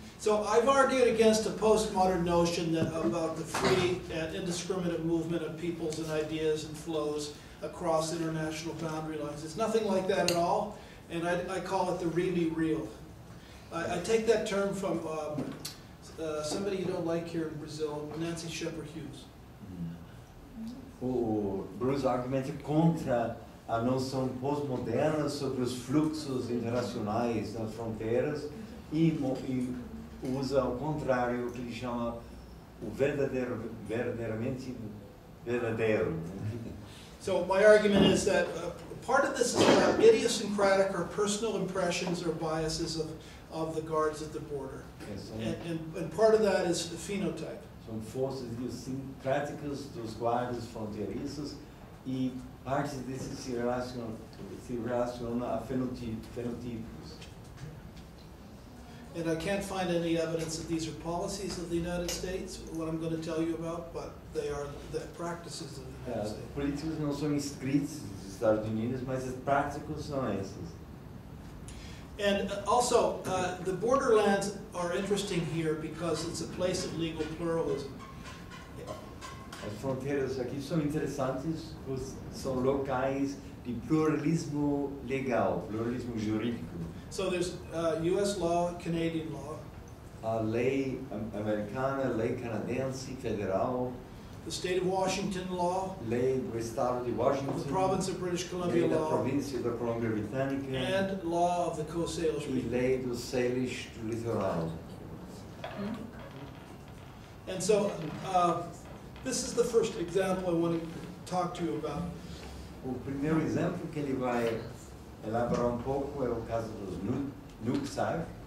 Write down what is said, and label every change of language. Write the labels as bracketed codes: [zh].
[en] So I've argued against a postmodern notion that about the free and indiscriminate movement of peoples and ideas and flows across international boundary lines. It's nothing like that at all, and I call it the really real. I take that term from somebody you don't like here in Brazil, Nancy Shepherd Hughes. [pt] O Bruce argumenta contra a noção postmoderna sobre os fluxos internacionais das fronteiras e usa ao contrário o que ele chama o verdadeiro, verdadeiramente verdadeiro. [en] So my argument is that part of this is our idiosyncratic or personal impressions or biases of the guards at the border. And part of that is the phenotype. [pt] São forças idiosincráticas dos guardas fronteiriços e parte desse se relaciona a fenotipos. [en] And I can't find any evidence that these are policies of the United States, what I'm going to tell you about, but they are the practices of the United States. [pt] Os políticos não são inscritos nos Estados Unidos, mas as práticas são essas. [en] And also, the borderlands are interesting here because it's a place of legal pluralism. [pt] As fronteiras aqui são interessantes porque são locais de pluralismo legal, pluralismo jurídico. [en] So there's U.S. law, Canadian law. [pt] A lei americana, lei canadense, federal. [en] The state of Washington law. [pt] Lei do estado de Washington. [en] The province of British Columbia law. [pt] Lei da província da Colômbia Britânica. [en] And law of the Coast Salish. [pt] E lei do Salish litoral. [en] And so This is the first example I want to talk to you about. [pt] O primeiro exemplo que ele vai elaborar pouco é o caso dos Nuksak.